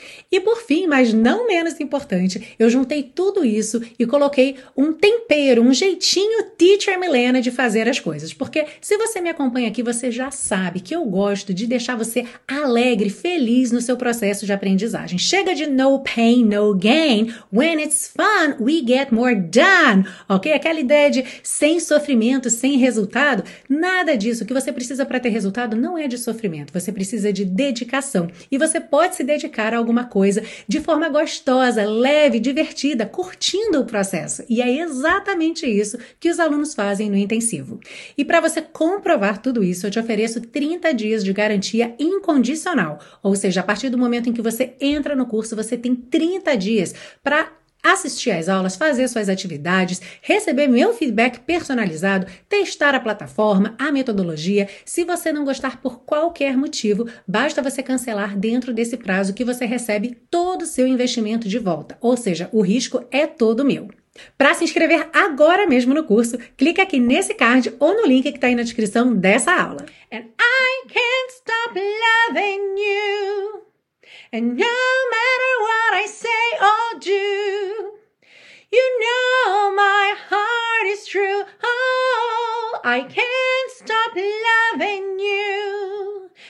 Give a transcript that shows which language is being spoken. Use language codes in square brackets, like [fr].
[pt] E por fim, mas não menos importante, eu juntei tudo isso e coloquei um tempero, um jeitinho Teacher Milena de fazer as coisas. Porque se você me acompanha aqui, você já sabe que eu gosto de deixar você alegre, feliz no seu processo de aprendizagem. Chega de [en] no pain, no gain. When it's fun, we get more done. [pt] Ok? Aquela ideia de sem sofrimento, sem resultado. Nada disso. O que você precisa para ter resultado não é de sofrimento. Você precisa de dedicação. E você pode se dedicar alguma coisa. coisa de forma gostosa, leve, divertida, curtindo o processo. E é exatamente isso que os alunos fazem no intensivo. E para você comprovar tudo isso, eu te ofereço 30 dias de garantia incondicional. Ou seja, a partir do momento em que você entra no curso, você tem 30 dias para assistir às aulas, fazer suas atividades, receber meu feedback personalizado, testar a plataforma, a metodologia. Se você não gostar por qualquer motivo, basta você cancelar dentro desse prazo que você recebe todo o seu investimento de volta. Ou seja, o risco é todo meu. Para se inscrever agora mesmo no curso, clique aqui nesse card ou no link que está aí na descrição dessa aula. [en] And I can't stop loving you. And no matter what I say or do, you know my heart is true. Oh, I can't stop loving you.